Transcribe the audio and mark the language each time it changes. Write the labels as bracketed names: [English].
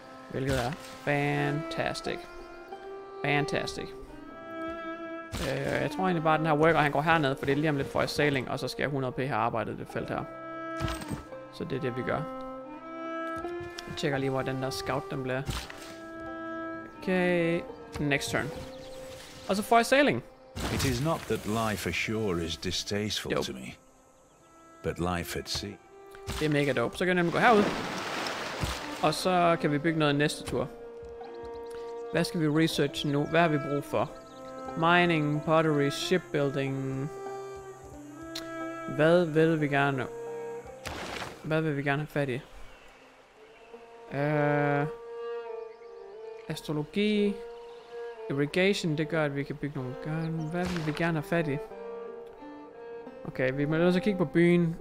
[Danish] Hvilket er fantastic. Fantastic. Jeg tror egentlig bare, at den her worker han går herned, for det er lige om lidt for i sailing. Og så skal jeg 100p have arbejdet det felt her. Så det er det, vi gør. Jeg tjekker lige, hvor den der scout den bliver. Okay, next turn. Og så får jeg sailing. [English] It is not that life ashore is distasteful to me, but life at sea. [Danish] Det er mega dope. Så kan jeg nemlig gå herud. Og så kan vi bygge noget næste tur. Hvad skal vi research nu? Hvad har vi brug for? [English] Mining, pottery, shipbuilding. [Danish] Hvad vil vi gerne nu? Hvad vil vi gerne have fat i? Astrologi. Irrigation, det gør, at vi kan bygge nogle gange. Hvad vil vi gerne have fat i? Okay, vi må lige så kigge på byen.